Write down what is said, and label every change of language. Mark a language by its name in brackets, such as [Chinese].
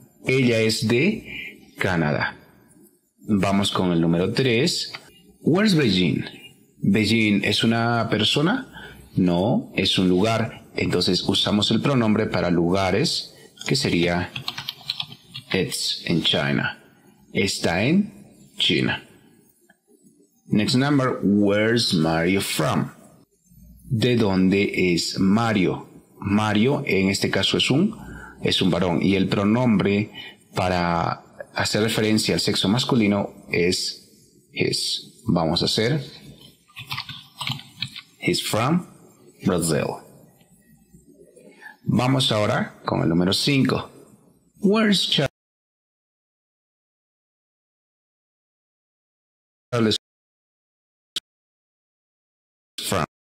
[Spanish] Ella es de Canadá. Vamos con el número 3. [English] Where's Beijing? [Spanish] ¿Beijing es una persona? No, es un lugar. Entonces usamos el pronombre para lugares, que sería [English] it's in China. [Spanish] Está en China. [English] Next number, where's Mario from? [Spanish] ¿De dónde es Mario? Mario en este caso es un varón y el pronombre para hacer referencia al sexo masculino es his. Vamos a hacer [English] he's from Brazil. [Spanish] Vamos ahora con el número 5. [English] Where's Charles from?